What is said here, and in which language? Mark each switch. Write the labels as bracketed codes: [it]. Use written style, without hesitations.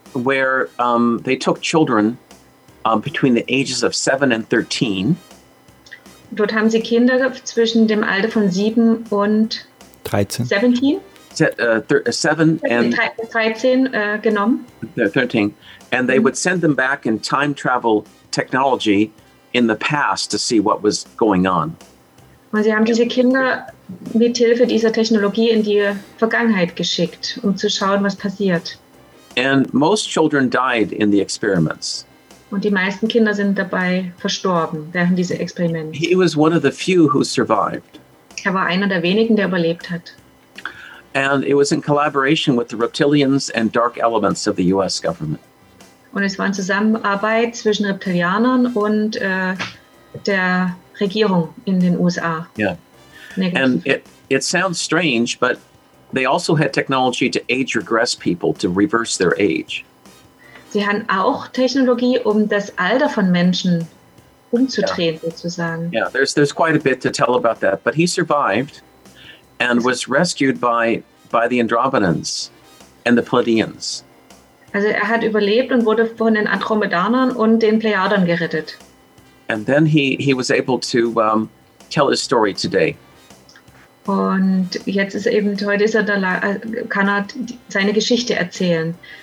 [en] Where they took children between the ages of 7 and 13. [de] Dort haben sie Kinder zwischen dem Alter von 7 und 13. 13. [en] And they would send them back in time travel technology in the past to see what was going on. [de] Und sie haben diese Kinder mit Hilfe dieser Technologie in die Vergangenheit geschickt, um zu schauen, was passiert. [en] And most children died in the experiments. [de] Und die meisten Kinder sind dabei verstorben während dieser Experimente. [en] He was one of the few who survived. [de] Er war einer der wenigen, der überlebt hat. [en] And it was in collaboration with the reptilians and dark elements of the US government. [de] Und es war in Zusammenarbeit zwischen Reptilianern und der Regierung in den USA. Yeah. Negativ. [en] And it sounds strange, but they also had technology to age regress people, to reverse their age. [de] Sie hatten auch Technologie, um das Alter von Menschen umzudrehen, yeah, sozusagen. [en] Yeah, there's quite a bit to tell about that. But he survived and was rescued by the Andromedans and the Pleiadians. [de] Also er hat überlebt und wurde von den Andromedanern und den Plejadern gerettet. [en] And then he was able to tell his story today. [de] Und jetzt ist eben, heute ist er da, kann er seine Geschichte erzählen.